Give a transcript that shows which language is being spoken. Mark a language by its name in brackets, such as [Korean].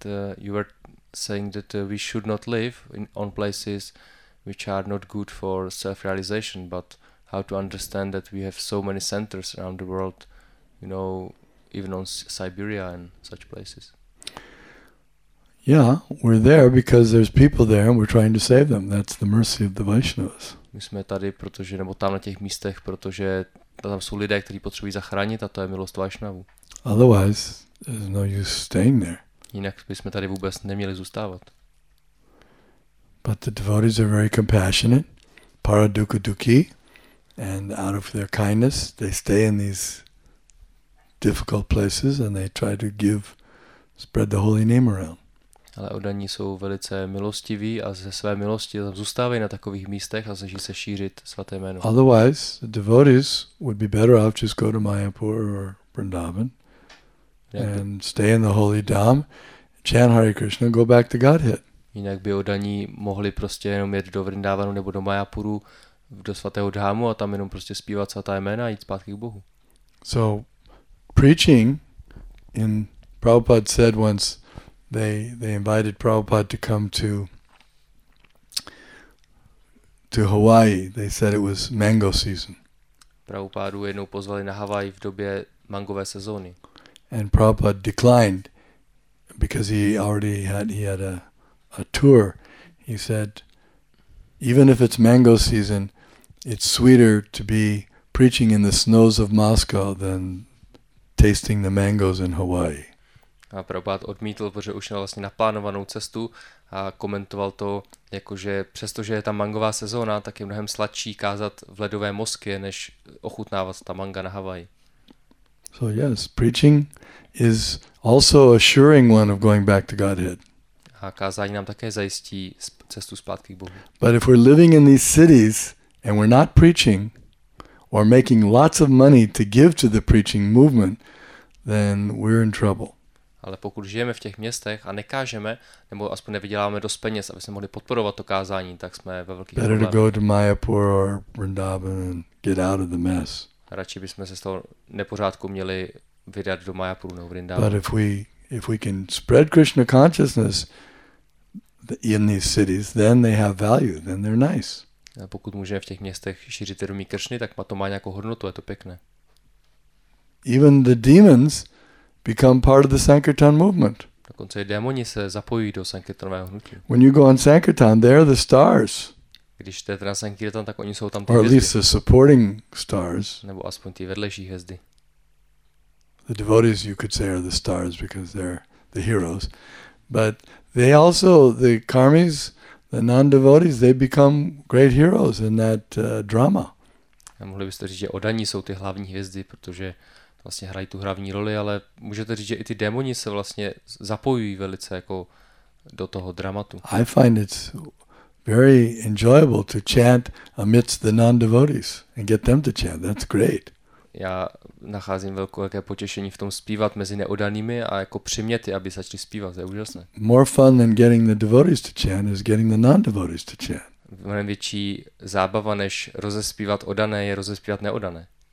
[English] You were saying that we should not live on places which are not good for self-realization, but how to understand that we have so many centers around the world, you know, even on Siberia and such places? Yeah, we're there because there's people there and we're trying to save them. That's the mercy of the Vaishnavas. [Czech] My jsme tady, protože nebo tam na těch místech, protože tam jsou lidé, kteří potřebují zachránit, a to je milost Vaishnavů. [English] Otherwise, there's no use staying there. [Czech] Jinak bychom tady vůbec neměli zůstávat. [English] But the devotees are very compassionate, [Sanskrit] para dukkha dukkhi, [English] and out of their kindness, they stay in these difficult places and they try to give, spread the holy name around. [Czech] Ale oddaní jsou velice milostiví a ze své milosti tam zůstávají na takových místech a snaží se šířit svaté jméno. [English] Otherwise, the devotees would be better off just go to Mayapur or Vrindavan and stay in the holy dham, chant Hare Krishna, go back to Godhead. [Czech] Jinak by oddaní mohli prostě jenom jít do Vrindavanu nebo do Mayapuru, do svatého dhámu a tam jenom prostě zpívat svatá jména a jít zpátky k Bohu. [English] So, preaching in Prabhupada said once, They invited Prabhupada to come to Hawaii. They said it was mango season. [Czech] Prabhupádu jednou pozvali na Havaj v době mangové sezóny. [English] And Prabhupada declined because he had a tour. He said, even if it's mango season, it's sweeter to be preaching in the snows of Moscow than tasting the mangoes in Hawaii. [Czech] A Prabhupád odmítl, protože už měl vlastně naplánovanou cestu a komentoval to, jakože přestože je tam mangová sezóna, tak je mnohem sladší kázat v ledové Moskvě, než ochutnávat ta manga na Havaji. [English] So yes, preaching is also assuring one of going back to Godhead. [Czech] A kázání nám také zajistí cestu zpátky k Bohu. [English] But if we're living in these cities and we're not preaching or making lots of money to give to the preaching movement, then we're in trouble. [Czech] Ale pokud žijeme v těch městech a nekážeme, nebo aspoň nevyděláme dost peněz, aby jsme mohli podporovat to kázání, tak jsme ve velkých problémech. [English] Better to go to Mayapur or Vrindavan and get out of the mess. [Czech] Radši bychom se z toho nepořádku měli vydat do Mayapuru nebo Vrindavan. [English] But if we If we can spread Krishna consciousness in these cities, then they have value, then they're nice. [Czech] A pokud můžeme v těch městech šířit vědomí Kršny, tak to má nějakou hodnotu, je to pěkné. [English] Even the demons become part of the Sankirtan movement. [Czech] Dokonce i démoni se zapojují do sankirtanového hnutí. [English] When you go on Sankirtan, they're the stars. [Czech] Když jdete na Sankirtan, tak oni jsou tam ty hvězdy. [English] Or at least the supporting stars. [Czech] Nebo aspoň ty vedlejší hvězdy. [English] The devotees, you could say, are the stars because they're the heroes. But they also, the karmis, the non-devotees, they become great heroes in that drama. [Czech] A mohli byste říct, že odaní jsou ty hlavní hvězdy, protože vlastně hrají tu hlavní roli, ale můžete říct, že i ty démoni se vlastně zapojují velice jako do toho dramatu. [English] I find it's very enjoyable to chant amidst the non-devotees and get them to chant. That's great. [Czech] Já nacházím velké potěšení v tom zpívat mezi neodanými a jako přiměty, aby začali zpívat. To je úžasné. [English] More fun than getting the devotees to chant is getting the non-devotees to chant. [Czech] Mnohem větší zábava, než rozespívat odané, je rozespívat neodané.